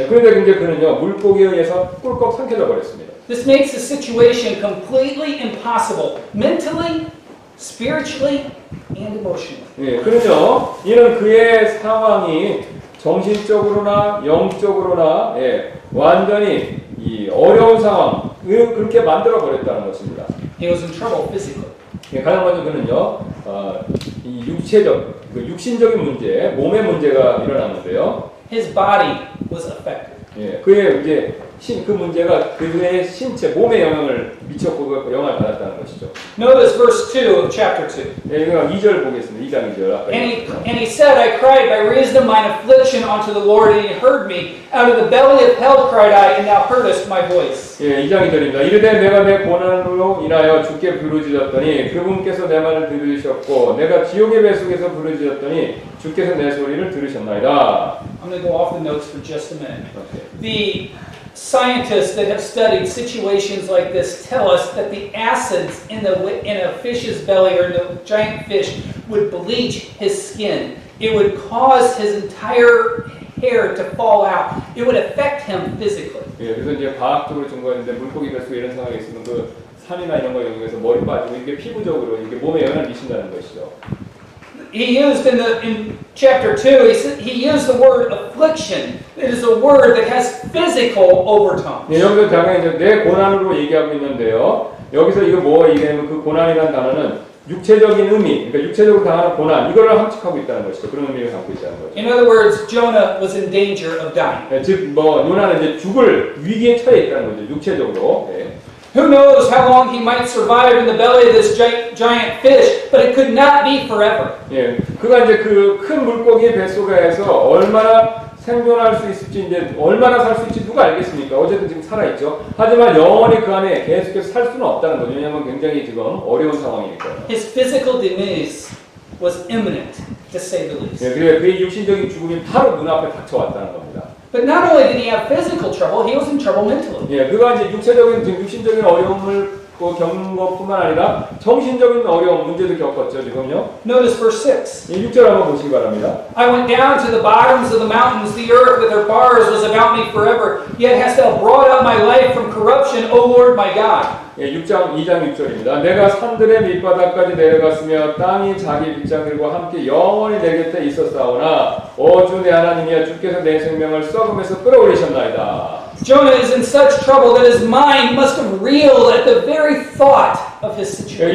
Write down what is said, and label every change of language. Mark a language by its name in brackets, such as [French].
[Korean] 예, 그런데 이제 그는요 물고기에 의해서 꿀꺽 삼켜져 버렸습니다. [English] This makes the situation completely impossible mentally, spiritually, and emotionally. [Korean] 예, 그렇죠. 이는 그의 상황이 정신적으로나 영적으로나 예, 완전히 이 어려운 상황을 그렇게 만들어 버렸다는 것입니다. [English] He was in trouble physically. [Korean] 예, 가장 먼저 그는요 이 육체적 그 육신적인 문제, 몸의 문제가 일어났는데요. [English] His body was affected. [Korean] 예, 그의 이제 그 문제가 그의 신체, 몸에 영향을 미쳤고 영향을 받았다는 것이죠. [English] Notice verse 2 of chapter 2. [Korean] 예, 그럼 2절 보겠습니다. 2장 2절. [English] And he said, I cried, I raised up mine affliction unto the Lord, and he heard me. Out of the belly of hell cried I, and thou heardest my voice. [Korean] 예, 2장 2절입니다. 이르되 내가 내 고난으로 인하여 주께 부르짖었더니 그분께서 내 말을 들으셨고 내가 지옥의 배 속에서 부르짖었더니 주께서 내 소리를 들으셨나이다. [English] I'm going to go off the notes for just a minute. The scientists that have studied situations like this tell us that the acids in a fish's belly or in a giant fish would bleach his skin. It would cause his entire hair to fall out. It would affect him physically. [Korean] 예, 그래서 이제 과학적으로 증거했는데 물고기 뱃속에 이런 상황이 있으면 그 산이나 이런 거에 의해서 머리 빠지고 이게 피부적으로 이게 몸에 영향을 미친다는 것이죠. [English] He used in chapter 2, he used the word affliction. It is a word that has physical overtones. [Korean] 예, 여기서 당연히 이제 내 고난으로 얘기하고 있는데요. 여기서 이거 뭐 얘기하면 그 고난이라는 단어는 육체적인 의미, 그러니까 육체적으로 당하는 고난, 이거를 함축하고 있다는 것이죠. 그런 의미를 담고 있다는 거죠. [English] In other words, Jonah was in danger of dying. [Korean] 예, 즉, 뭐, 요나는 이제 죽을 위기에 처해 있다는 거죠. 육체적으로. 예. [English] Who knows how long he might survive in the belly of this giant fish, but it could not be forever. [Korean] 예, 그가 이제 그 큰 물고기의 뱃속에서 얼마나 생존할 수 있을지, 이제 얼마나 살 수 있지 누가 알겠습니까? 어쨌든 지금 살아있죠. 하지만 영원히 그 안에 계속해서 살 수는 없다는 거죠. 왜냐하면 굉장히 지금 어려운 상황이니까. [English] His physical demise was imminent, to say the least. [Korean] 예, 그래, 그의 육신적인 죽음이 바로 눈앞에 닥쳐왔다는 겁니다. [English] But not only did he have physical trouble, he was in trouble mentally. [Korean] 예, 그가 이제 육체적인 지금 육신적인 어려움을 겪는 것뿐만 아니라 정신적인 어려움 문제도 겪었죠 지금요. [English] Notice verse 6. [Korean] 예, 6절 한번 보시기 바랍니다. [English] I went down to the bottoms of the mountains; the earth with her bars was about me forever. Yet hast thou brought out my life from corruption, O Lord my God. [Korean] 예, 2장 6절입니다. 내가 산들의 밑바닥까지 내려갔으며 땅이 자기 빗장들과 함께 영원히 내 곁에 있었사오나 오 주 내 하나님이여 주께서 내 생명을 썩음에서 끌어올리셨나이다. [English] Jonah is in such trouble that his mind must have reeled at the very thought of his situation.